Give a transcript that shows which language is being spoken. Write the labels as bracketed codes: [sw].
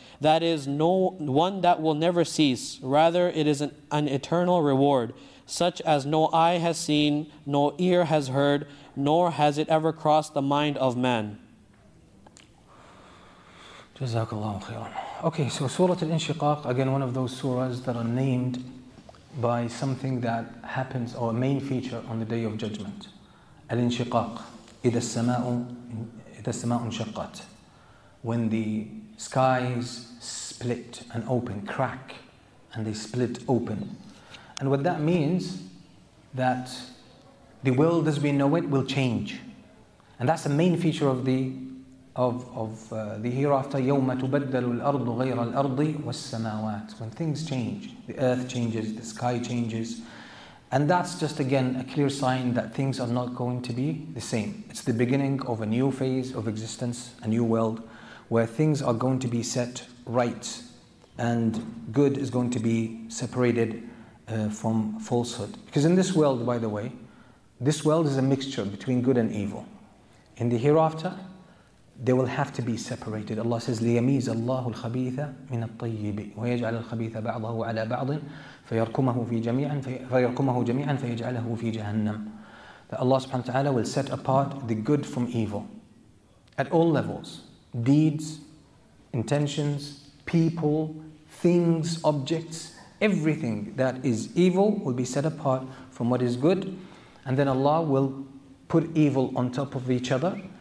[en] That is, no one that will never cease. Rather, it is an eternal reward, such as no eye has seen, no ear has heard, nor has it ever crossed the mind of man. Jazakallahu khairan. Okay, so Surah Al-Inshiqaq, again one of those surahs that are named by something that happens or a main feature on the Day of Judgment. [ar] Al-Inshiqaq, إِذَا السَّمَاءُ انشَقَّتْ. [en] When the skies split and open, crack, and they split open. And what that means, that the world as we know it will change. And that's the main feature of the hereafter, [ar] يَوْمَ تُبَدَّلُ الْأَرْضُ غَيْرَ الْأَرْضِ وَالسَّمَاوَاتِ. [en] When things change, the earth changes, the sky changes. And that's just again a clear sign that things are not going to be the same. It's the beginning of a new phase of existence, a new world, where things are going to be set right and good is going to be separated from falsehood. Because in this world, by the way, this world is a mixture between good and evil. In the hereafter, they will have to be separated. Allah says, [ar] لِيَمِيزَ اللَّهُ الْخَبِيثَ مِنَ الطَّيِّبِ وَيَجْعَلَ الْخَبِيثَ بَعْضَهُ عَلَى بَعْضٍ فَيَرْكُمَهُ جَمِيعًا فَيَجْعَلَهُ فِي جَهَنَّمْ. [en] That Allah subhanahu wa ta'ala will set apart the good from evil at all levels. Deeds, intentions, people, things, objects, everything that is evil will be set apart from what is good. And then Allah will put evil on top of each other.